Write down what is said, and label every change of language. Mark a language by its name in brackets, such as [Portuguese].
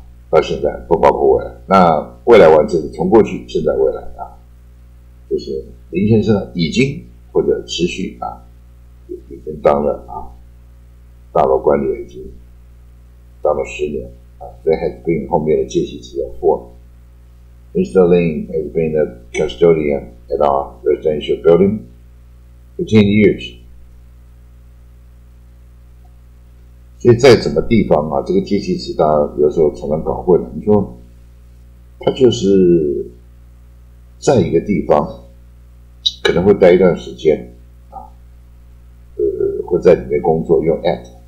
[Chinese] 到现在不包括未来，那未来完成从过去现在未来啊，就是林先生呢已经或者持续啊，已经当了啊，大楼管理员已经当了十年啊。 [English] There has been [Chinese] 后面的介系词有 for。Mr. [English] Lin has been a custodian at our residential building for 10 years。 [Chinese] 所以在什么地方啊，这个介系词大家有时候常常搞混了。你说他就是在一个地方可能会待一段时间啊，会在里面工作用 at。